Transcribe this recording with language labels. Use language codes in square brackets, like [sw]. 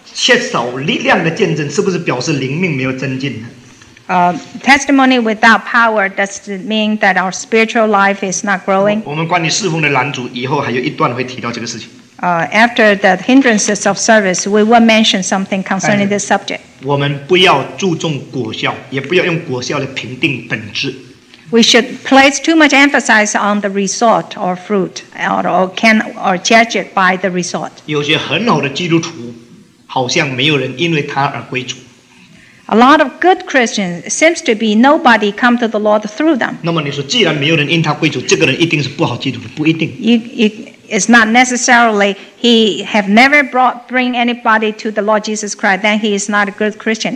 [zh] 缺少力量的见证，是不是表示灵命没有增进呢？ [en] Testimony without power, does it mean that our spiritual life is not growing? [zh] 我们关于侍奉的拦阻，以后还有一段会提到这个事情。 [en] After the hindrances of service, we will mention something concerning this subject. [zh] 我们不要注重果效，也不要用果效来评定本质。 [en] We should place too much emphasis on the result or fruit, or judge it by the result. [zh] 有些很好的基督徒，好像没有人因为他而归主。 [en] A lot of good Christians seems to be nobody come to the Lord through them. [zh] 那么你说，既然没有人因他归主，这个人一定是不好基督徒，不一定。 [en] It's not necessarily he have never bring anybody to the Lord Jesus Christ, then he is not a good Christian.